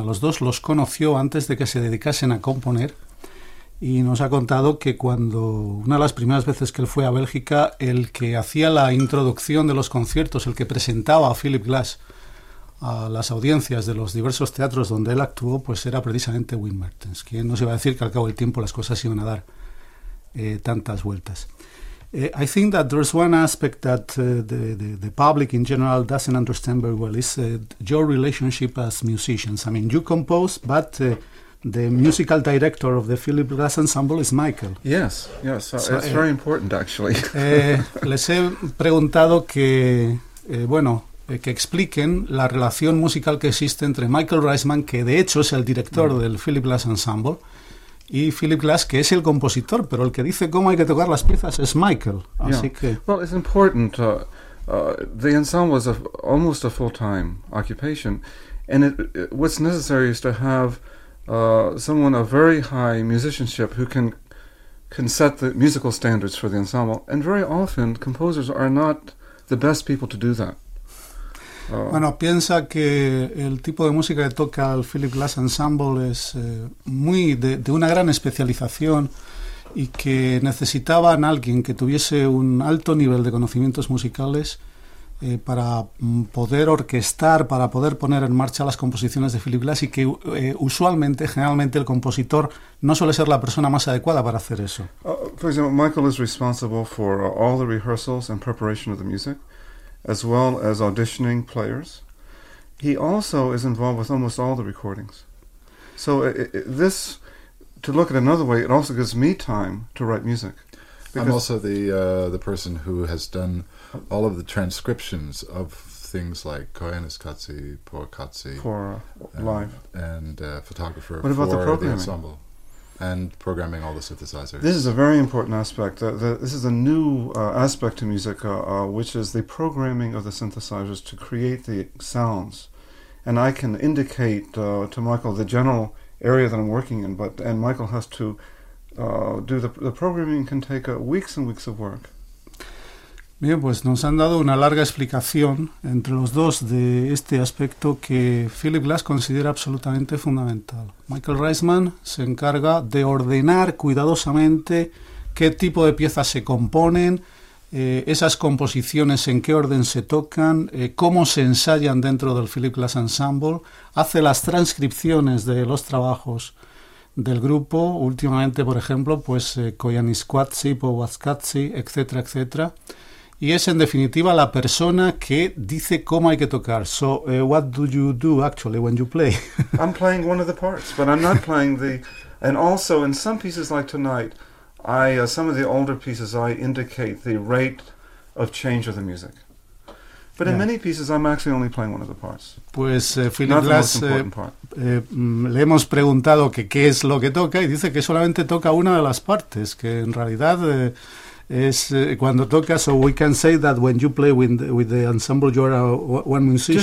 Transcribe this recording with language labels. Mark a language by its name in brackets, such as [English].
[Spanish] A los dos los conoció antes de que se dedicasen a componer, y nos ha contado que cuando una de las primeras veces que él fue a Bélgica, el que hacía la introducción de los conciertos, el que presentaba a Philip Glass a las audiencias de los diversos teatros donde él actuó, pues era precisamente Wim Mertens, quien nos iba a decir que al cabo del tiempo las cosas iban a dar tantas vueltas. [English] I think that there's one aspect that the public in general doesn't understand very well, is your relationship as musicians. I mean, you compose, but the musical director of the Philip Glass Ensemble is Michael. Yes, it's very important, actually. [Spanish] Les he preguntado que, que expliquen la relación musical que existe entre Michael Reisman, que de hecho es el director del Philip Glass Ensemble, Y Philip Glass, que es el compositor, pero el que dice cómo hay que tocar las piezas es Michael. Así que... [English] Well, it's important. The ensemble is almost a full-time occupation, and what's necessary is to have someone of very high musicianship who can set the musical standards for the ensemble. And very often, composers are not the best people to do that. [Spanish] Bueno, piensa que el tipo de música que toca el Philip Glass Ensemble es muy de una gran especialización y que necesitaban a alguien que tuviese un alto nivel de conocimientos musicales para poder orquestar, para poder poner en marcha las composiciones de Philip Glass, y que usualmente, generalmente, el compositor no suele ser la persona más adecuada para hacer eso. [English] For example, Michael is responsible for all the rehearsals and preparation of the music, as well as auditioning players. He also is involved with almost all the recordings. So this, to look at it another way, it also gives me time to write music. I'm also the person who has done all of the transcriptions of things like Koyaanisqatsi, Pohjanmaa, for live, and photographer. What about for the programming? The ensemble and programming all the synthesizers. This is a very important aspect. This is a new aspect to music, which is the programming of the synthesizers to create the sounds. And I can indicate to Michael the general area that I'm working in, and Michael has to do the programming. Can take weeks and weeks of work. [Spanish] Bien, pues nos han dado una larga explicación entre los dos de este aspecto que Philip Glass considera absolutamente fundamental. Michael Reisman se encarga de ordenar cuidadosamente qué tipo de piezas se componen, esas composiciones en qué orden se tocan, cómo se ensayan dentro del Philip Glass Ensemble, hace las transcripciones de los trabajos del grupo, últimamente, por ejemplo, pues Koyaanisqatsi, Pohjanmaa, etcétera, etcétera. Y es, en definitiva, la persona que dice cómo hay que tocar. [English] So, what do you do, actually, when you play? I'm playing one of the parts, but I'm not playing the... And also, in some pieces like tonight, some of the older pieces, I indicate the rate of change of the music. But in many pieces, I'm actually only playing one of the parts. [Spanish] Pues, Philip Glass, le hemos preguntado que qué es lo que toca, y dice que solamente toca una de las partes, que en realidad... es cuando toca. [English] So we can say that when you play with the ensemble, you're one musician.